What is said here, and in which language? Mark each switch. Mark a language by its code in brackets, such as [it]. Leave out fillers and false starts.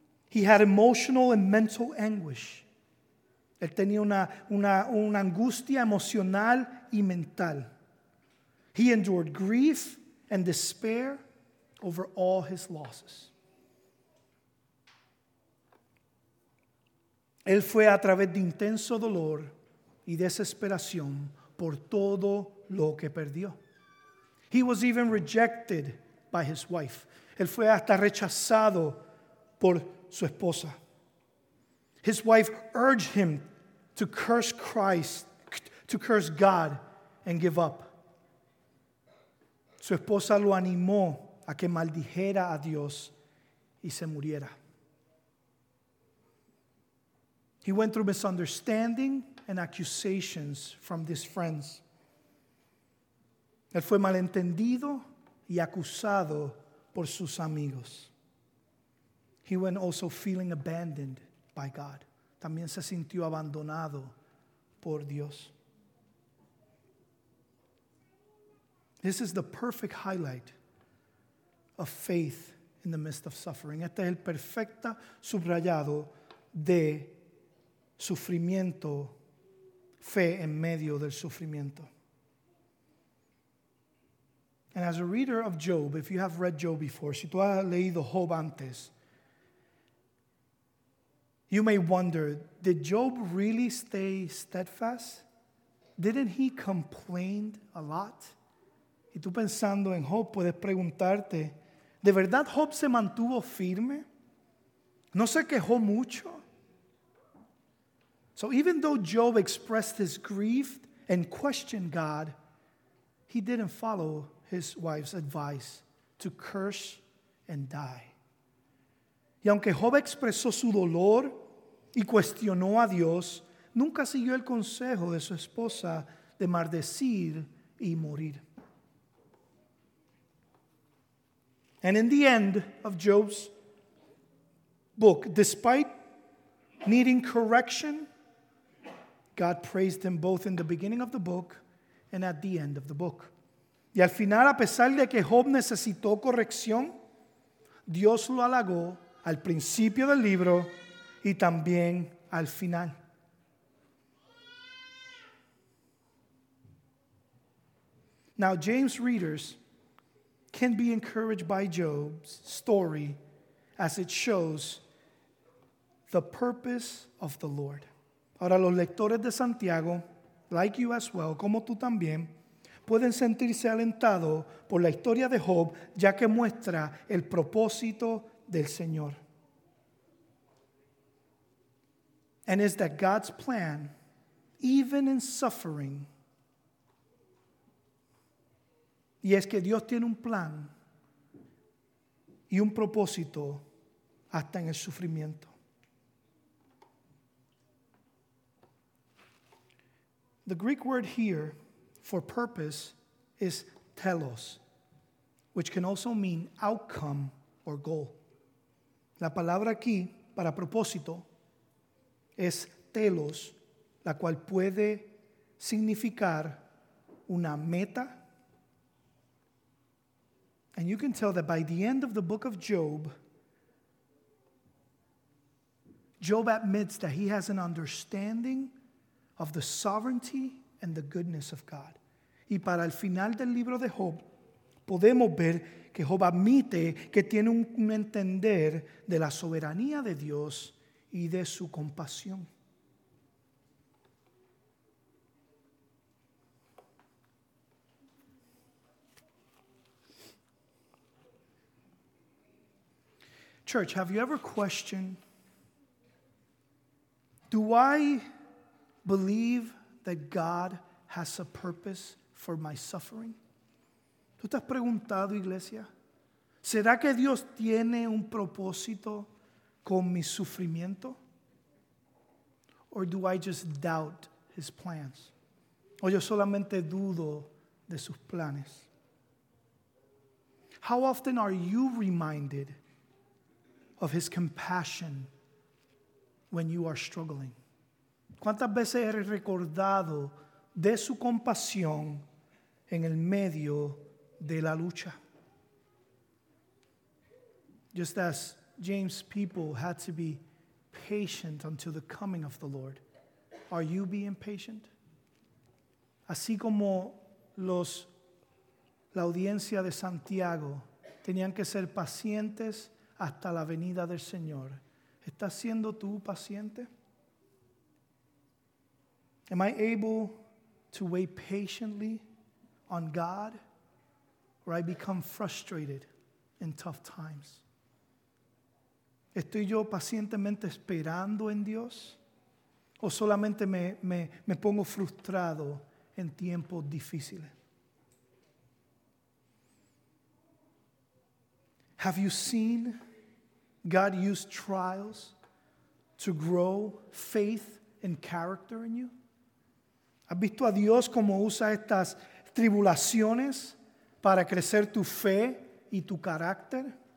[en] He had emotional and mental anguish. [es] Él tenía una angustia emocional y mental. [en] He endured grief and despair over all his losses. [es] Él fue a través de intenso dolor y desesperación por todo lo que perdió. [en] He was even rejected by his wife. [es] Él fue hasta rechazado por su esposa. [en] His wife urged him to curse Christ, to curse God and give up. [es] Su esposa lo animó a que maldijera a Dios y se muriera. [en] He went through misunderstanding and accusations from these friends. [es] Él fue malentendido y acusado por sus amigos. [en] He went also feeling abandoned by God. [es] También se sintió abandonado por Dios. [en] This is the perfect highlight of faith in the midst of suffering. [es] Este es el perfecto subrayado de sufrimiento, fe en medio del sufrimiento. [en] And as a reader of Job, if you have read Job before, [es] si tú has leído Job antes, [en] you may wonder, did Job really stay steadfast? Didn't he complain a lot? [es] Y tú pensando en Job, puedes preguntarte, ¿de verdad Job se mantuvo firme? ¿No se quejó mucho? [en] So even though Job expressed his grief and questioned God, he didn't follow his wife's advice to curse and die. [es] Y aunque Job expresó su dolor y cuestionó a Dios, nunca siguió el consejo de su esposa de maldecir y morir. [en] And in the end of Job's book, despite needing correction, God praised him both in the beginning of the book and at the end of the book. [es] Y al final, a pesar de que Job necesitó corrección, Dios lo halagó al principio del libro y también al final. [en] Now, James readers can be encouraged by Job's story as it shows the purpose of the Lord. [es] Ahora los lectores de Santiago, [en] like you as well, [es] como tú también, pueden sentirse alentados por la historia de Job, ya que muestra el propósito del Señor. [en] And is that God's plan, even in suffering, [es] y es que Dios tiene un plan y un propósito hasta en el sufrimiento. [en] The Greek word here for purpose is telos, which can also mean outcome or goal. [es] La palabra aquí para propósito es telos, la cual puede significar una meta. [en] And you can tell that by the end of the book of Job, Job admits that he has an understanding of the sovereignty and the goodness of God. [es] Y para el final del libro de Job, podemos ver que Job admite que tiene un entender de la soberanía de Dios y de su compasión. [en] Church, have you ever questioned, do I believe that God has a purpose for my suffering? [es] ¿Tú te has preguntado, iglesia? ¿Será que Dios tiene un propósito con mi sufrimiento? [en] Or do I just doubt his plans? [es] ¿O yo solamente dudo de sus planes? [en] How often are you reminded of his compassion when you are struggling? [es] ¿Cuántas veces eres recordado de su compasión en el medio de la lucha? [en] Just as James' people had to be patient until the coming of the Lord, are you being patient? [es] Así como la audiencia de Santiago tenían que ser pacientes hasta la venida del Señor, ¿estás siendo tú paciente? [en] Am I able to wait patiently on God, or I become frustrated in tough times? [es] ¿Estoy yo pacientemente esperando en Dios, o solamente me pongo frustrado en tiempos difíciles? [en] Have you seen God use trials to grow faith and character in you? [es] ¿Has visto a Dios como usa estas tribulaciones para crecer tu fe y tu carácter?